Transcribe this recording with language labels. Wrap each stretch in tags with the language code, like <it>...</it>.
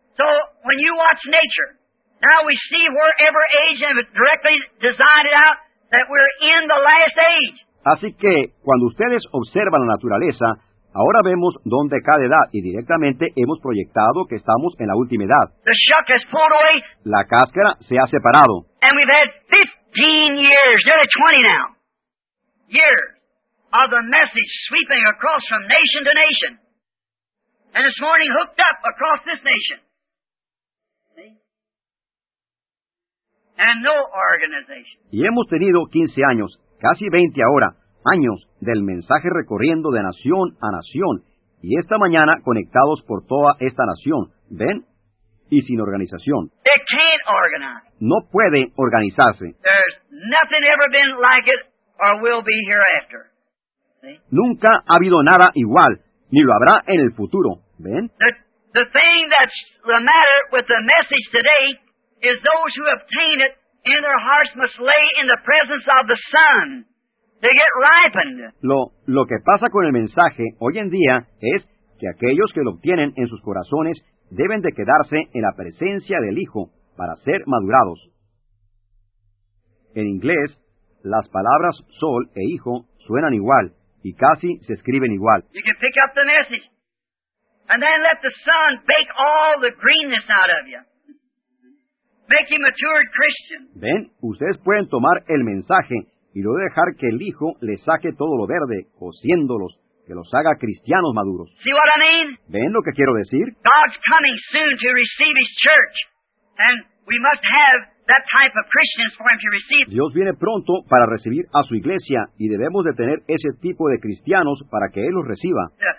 <en>So, when you watch nature, now we see wherever age is directly designed out that we're in the last age.</en> <es>Así que cuando ustedes observan la naturaleza, ahora vemos dónde cada edad y directamente hemos proyectado que estamos en la última edad.</es> <en>The shuck has pulled away.</en> <es>La cáscara se ha separado.</es> <en>And we've had 15 years, nearly 20 now, years of the message sweeping across from nation to nation, and this morning hooked up across this nation. And no organization.</en> <es>Y hemos tenido 15 años, casi 20 ahora, años del mensaje recorriendo de nación a nación, y esta mañana conectados por toda esta nación, ¿ven? Y sin organización.</es> <en>It can't organize.</en> <es>No puede organizarse.</es> <en>There's nothing ever been like it or will be hereafter.</en> <es>Nunca ha habido nada igual, ni lo habrá en el futuro, ¿ven?</es> <en>The thing that's the matter with the message today is those who obtain it in their hearts must lay in the presence of the Son. They get ripened.</en> <es>Lo que pasa con el mensaje hoy en día es que aquellos que lo obtienen en sus corazones deben de quedarse en la presencia del Hijo para ser madurados. En inglés, las palabras sol e hijo suenan igual y casi se escriben igual.</es> <en>You can pick up the message and then let the Son bake all the greenness out of you. Make you mature Christian.</en> <es>Ven, ustedes pueden tomar el mensaje y luego dejar que el Hijo le saque todo lo verde, cociéndolos, que los haga cristianos maduros.</es> <en>See what I mean?</en> <es>¿Ven lo que quiero decir?</es> <en>God's coming soon to receive His church, and we must have that type of Christians for Him to receive.</en> <es>Dios viene pronto para recibir a su iglesia y debemos de tener ese tipo de cristianos para que Él los reciba.</es>